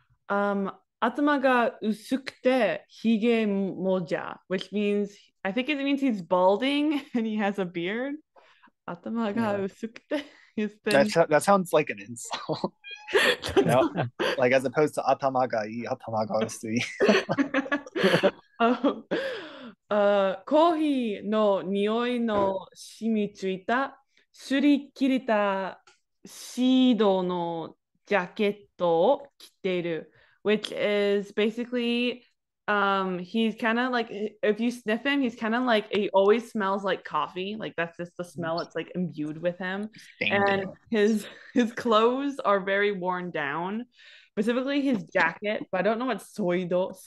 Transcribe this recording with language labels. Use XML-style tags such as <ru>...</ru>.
<ja>Atama ga usukute hige moja,</ja> <en>which means, I think it means he's balding and he has a beard.</en> <ja>Atama ga usukute.</ja> <en>That sounds like an insult. No, like as opposed to</en> <ja>atama ga ii, atama ga usui. コーヒーの匂いの染みついた、すり切れたシードのジャケットを着ている。</ja> <en>Which is basically, he's kind of like, if you sniff him, he's kind of like, he always smells like coffee. Like, that's just the smell that's like imbued with him. And his clothes are very worn down. Specifically his jacket, but I don't know what suido.</en>